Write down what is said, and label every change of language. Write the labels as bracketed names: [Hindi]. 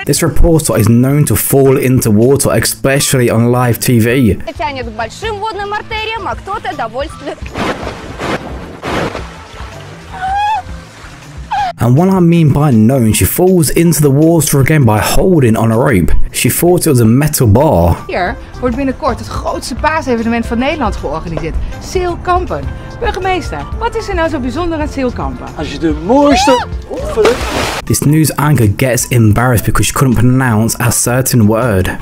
[English] This reporter is known to fall into water, especially on live TV. And what I mean by known, she falls into the water again by holding on a rope. She thought it was a metal bar. [Dutch] Here, wordt binnenkort het grootste paasevenement van Nederland georganiseerd. Seal Kampen. Burgemeester, wat is er nou zo bijzonder aan Seal Kampen? Als je de mooiste... [English] This news anchor gets embarrassed because she couldn't pronounce a certain word.